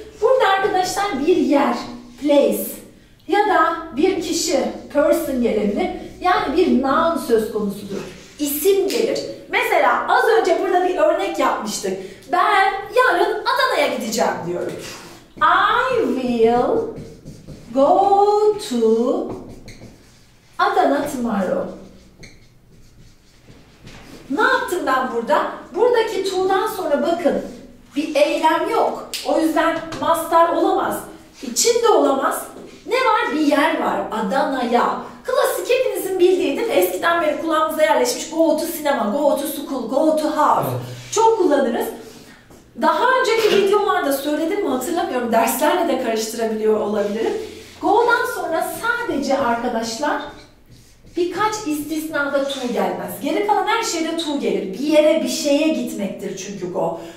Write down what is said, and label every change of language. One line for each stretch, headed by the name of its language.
Turkish: Burada arkadaşlar bir yer, place ya da bir kişi, person gelebilir. Yani bir noun söz konusudur. İsim gelir. Mesela az önce burada bir örnek yapmıştık. Ben yarın Adana'ya gideceğim diyorum.
English: I will go to Adana tomorrow.
Turkish: Ne yaptım ben burada? Buradaki to'dan sonra bakın bir eylem yok. O yüzden mastar olamaz. İçinde olamaz. Ne var? Bir yer var. Adana'ya. Klasik hepinizin bildiğidir. Eskiden beri kulağımıza yerleşmiş.
English: Go to cinema, go to school, go to house.
Turkish: Çok kullanırız. Daha önceki videolarda söyledim mi hatırlamıyorum. Derslerle de karıştırabiliyor olabilirim. Go'dan sonra sadece arkadaşlar birkaç istisnada to gelmez. Geri kalan her şeyde to gelir. Bir yere, bir şeye gitmektir çünkü go.